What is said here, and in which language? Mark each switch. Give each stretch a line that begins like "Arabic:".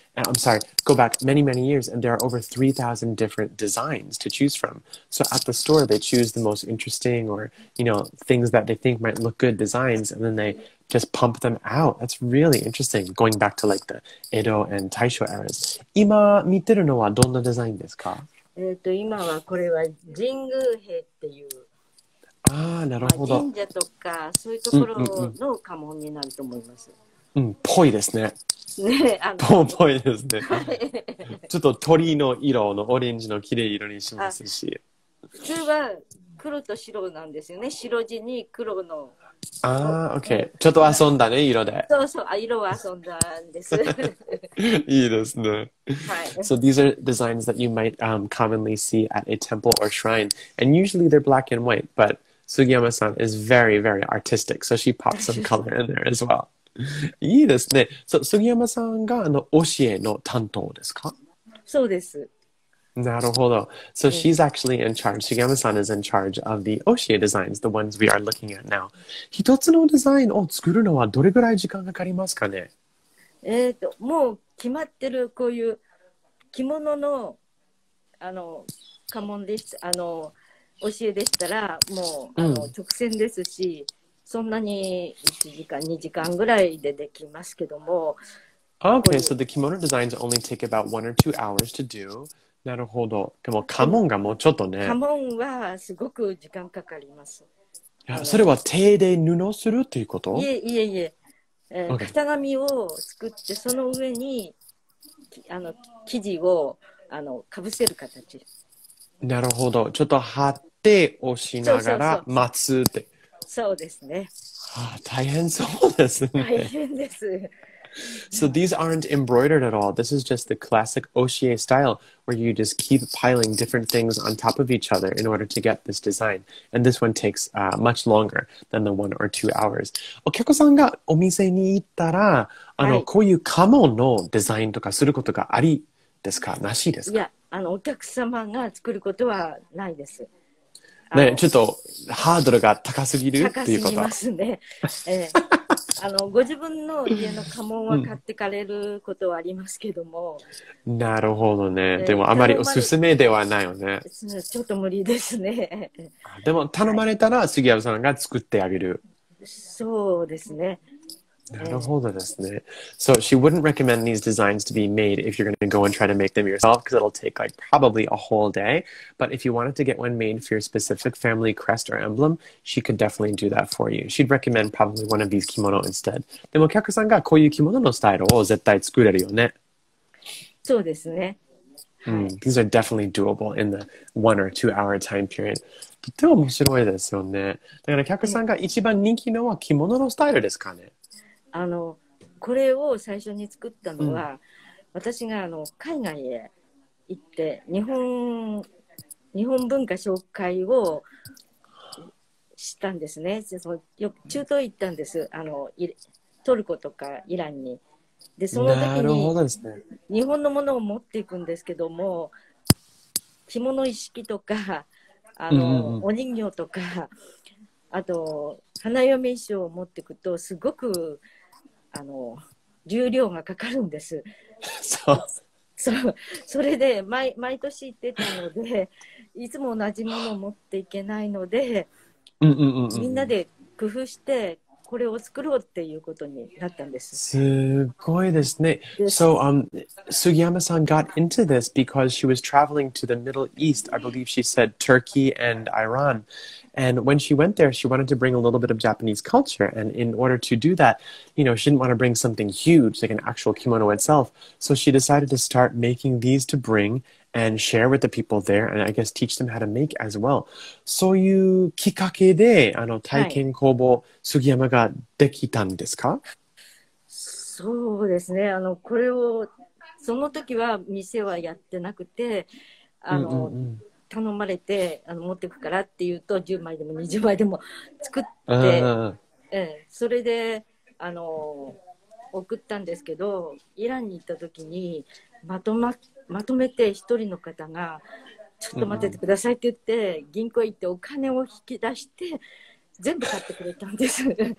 English: I'm sorry, go back many, many years, and there are over 3,000 different designs to choose from. So at the store, they choose the most interesting or, you know, things that they think might look good designs, and then they just pump them out. That's really interesting, going back to like the Edo and Taisho eras.
Japanese: 今見てるのはどんなデザインですか?今はこれは神宮兵っていう、ああなるほど、神社とかそういうところの家紋になると思います。うん、ぽいですね。ねえ、ぽいですね。ちょっと鳥の色のオレンジの綺麗色にしますし、普通は黒と白なんですよね、白地に黒の、あー、オッケー、ちょっと遊んだね、色で。そうそう、あ、色は遊んだんです。いいですね。はい。
English: So these are designs that you might、commonly see at a temple or shrine, and usually they're black and white, but Sugiyama-san is very, very artistic, so she pops some color in there as well.
Japanese: いいですね。So Sugiyama-san が教えの担当ですか？そうです。なるほど。
English: So she's actually in charge. Sugiyama-san is in charge of the Oshie designs, the ones we are looking at now.
Japanese: 一つのデザインを作るのはどれぐらい時間かかりますかね？もう決まってるこういう着物の、あの、家紋でした、あの、Oshieでしたら、もう、あの、直線ですし、そんなに1時間、2時間ぐらいでできますけども。
English: Okay, so the kimono designs only take about 1 or 2 hours to do.
Japanese: なるほど。でも家紋がもうちょっとね。家紋はすごく時間かかります。いや、それは手で布するっていうこと？いえいえいえ、型紙を作って、その上にあの生地をあのかぶせる形。なるほど。ちょっと貼って押しながら待つって。そうですね。はあ、大変そうですね。大変です。
English: So these aren't embroidered at all. This is just the classic Oshie style where you just keep piling different things on top of each other in order to get this design. And this one takes、much longer than the 1 or 2 hours.
Japanese: お客さんがお店に行ったら、あの、はい、こういう家紋のデザインとかすることがありですか？なしですか？いや、あの、お客様が作ることはないです。ね、ちょっとハードルが高すぎるっていうこと。高すぎますね。あの、ご自分の家の家紋は買ってかれることはありますけども、うん、なるほどね。でもあまりおすすめではないよね。ちょっと無理ですね。でも頼まれたら杉山さんが作ってあげる、はい、そうですね。なるほどですね。
English: So she wouldn't recommend these designs to be made if you're going to go and try to make them yourself, because it'll take like probably a whole day. But if you wanted to get one made for your specific family crest or emblem, she could definitely do that for you. She'd recommend probably one of these kimono instead.
Japanese: でもお客さんがこういう着物のスタイルを絶対作れるよね。そうですね。
English: Mm, these are definitely doable in the 1 or 2 hour time period.
Japanese: とても面白いですよね。だからお客さんが一番人気のは着物のスタイルですかね。あの、これを最初に作ったのは、うん、私があの海外へ行って日本文化紹介をしたんですね。その中東行ったんです。あの、トルコとかイランに。でその時に日本のものを持っていくんですけども、着物一式とか、あの、うんうん、お人形とか、あと花嫁衣装を持っていくとすごく、あの、流量がかかるんです。そう、そう、それで毎年行ってたので、いつも同じものを持っていけないので、うんうんうん、みんなで工夫してこれを作ろうっていうことになったんです。すごいですね。
English: So, Sugiyama-san got into this because she was traveling to the Middle East. I believe she said Turkey and Iran. And when she went there, she wanted to bring a little bit of Japanese culture. And in order to do that, you know, she didn't want to bring something huge, like an actual kimono itself. So she decided to start making these to bring and share with the people there, and I guess teach them how to make as well.
Japanese: そういうきっかけで、あの、体験工房杉山ができたんですか？そうですね。あの、これを、その時は店はやってなくて、あの、うんうんうん、頼まれて、あの、持ってくからって言うと10枚でも20枚でも作って、それで、あの、送ったんですけど、イランに行った時にまとめて一人の方が、ちょっと待っててくださいって言って、うん、銀行行ってお金を引き出して全部買ってくれたんです。